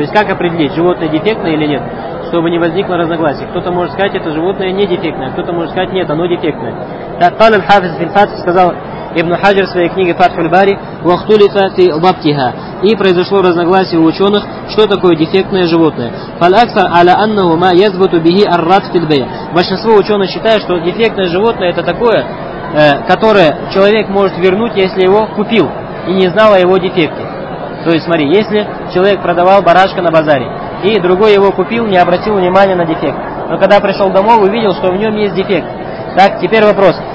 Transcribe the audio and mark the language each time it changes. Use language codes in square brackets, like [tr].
[ru] То есть, как определить, животное дефектное или нет, чтобы не возникло разногласий? Кто-то может сказать, это животное не дефектное, кто-то может сказать, нет, оно дефектное. Так, [ar] قال الحافظ في الفتح, [ru] сказал Ибн Хаджар в своей книге «Фатху аль-Бари», [ar] «Вахтулифа фи бабтиха». [ru] И произошло разногласие у ученых, что такое дефектное животное. [ar] فالأكثر على أنه ما يثبت به الرد في البيع. [ru] Большинство ученых считают, что дефектное животное – это такое, которое человек может вернуть, если его купил и не знал о его дефекте. То есть, смотри, если человек продавал барашка на базаре, и другой его купил, не обратил внимания на дефект. Но когда пришел домой, увидел, что в нем есть дефект. Так, теперь вопрос.